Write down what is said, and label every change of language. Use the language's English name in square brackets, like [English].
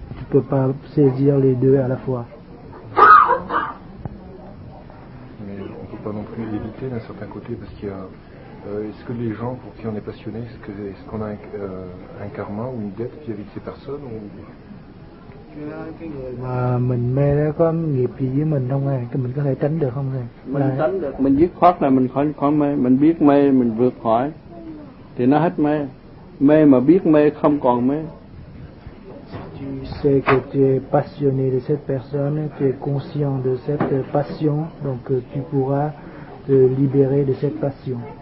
[French] Tu peux pas saisir les deux à la fois. Mais on peut pas non plus éviter d'un certain côté, parce qu'il y a est-ce que les gens pour qui on est passionné, est-ce qu'on a un karma ou une dette vis-à-vis de ces personnes ou... [Vietnamese] Mà mình mê nó có nghiệp gì với mình không này, mình có thể tránh được không này? Mình dứt khoát là mình khỏi mê, mình biết mê mình vượt khỏi thì nó hết mê. Mê mà biết mê không còn mê. [French] Tu sais que tu es passionné de cette personne, tu es conscient de cette passion, donc tu pourras te libérer de cette passion.